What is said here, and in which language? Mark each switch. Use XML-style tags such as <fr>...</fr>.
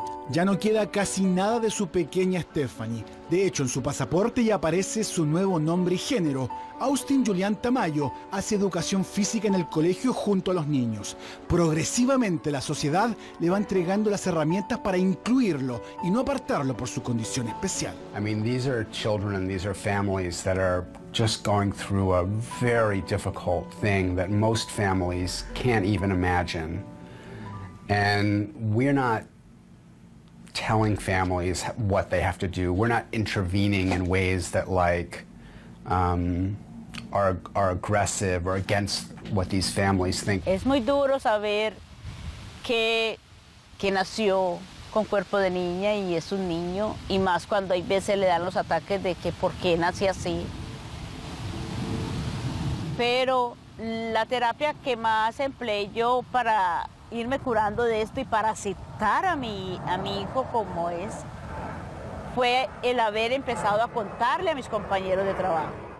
<es>Ya no queda casi nada de su pequeña Stephanie. De hecho, en su pasaporte ya aparece su nuevo nombre y género. Austin Julián Tamayo hace educación física en el colegio junto a los niños. Progresivamente la sociedad le va entregando las herramientas para incluirlo y no apartarlo por su condición especial.</es> <en>I mean, these are children and these are families that are just going through a very difficult thing that most families can't even imagine. And we're not telling families what they have to do. We're not intervening in ways that like are aggressive or against what these families think.</en> <es>Es muy duro saber que nació con cuerpo de niña y es un niño, y más cuando hay veces le dan los ataques de que por qué nací así. Pero la terapia que más empleé yo para irme curando de esto y para aceptar a mi hijo como es, fue el haber empezado a contarle a mis compañeros de trabajo.</es>